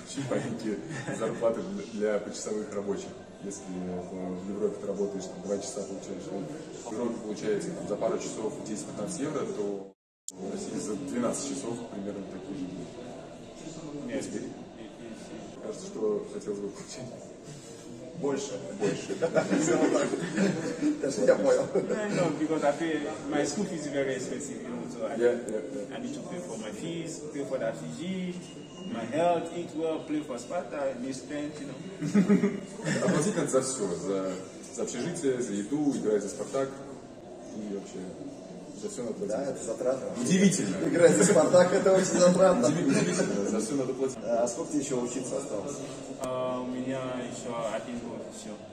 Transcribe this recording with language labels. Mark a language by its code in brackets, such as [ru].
[ru] Маленькие зарплаты для почасовых рабочих. Если в Европе ты работаешь, там 2 часа получаешь. В Европе получается там, за пару часов 10-15 евро, то в России за 12 часов примерно такие же деньги. Кажется, что хотелось бы получить. Больше. Больше. Даже я понял. [en] No, because I pay, my school fees is very expensive. You know, so I need to pay for my fees, pay for the FG. My health, eat well, play for Sparta, [ru] не [en] spend, you know. [ru] Оплатить надо за все, за общежитие, за еду, играть за Спартак и вообще за все надо платить. Да, это затратно. Удивительно. Играть за Спартак, это очень затратно. Удивительно, за все надо платить. А сколько тебе еще учиться осталось? У меня еще 1 год еще.